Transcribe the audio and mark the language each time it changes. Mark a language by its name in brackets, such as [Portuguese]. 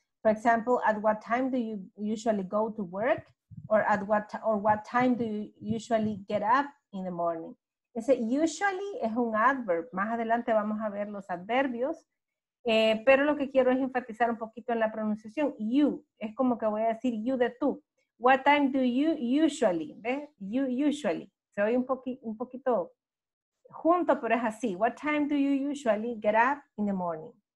[English] For example, at what time do you usually go to work? Or what time do you usually get up in the morning? [Spanish] Ese usually es un adverb, más adelante vamos a ver los adverbios. Pero lo que quiero es enfatizar un poquito en la pronunciación. You, es como que voy a decir you de tú. [English] What time do you usually, ¿ves? You usually. [Spanish] Se oye un poquito junto, pero es así. [English] What time do you usually get up in the morning?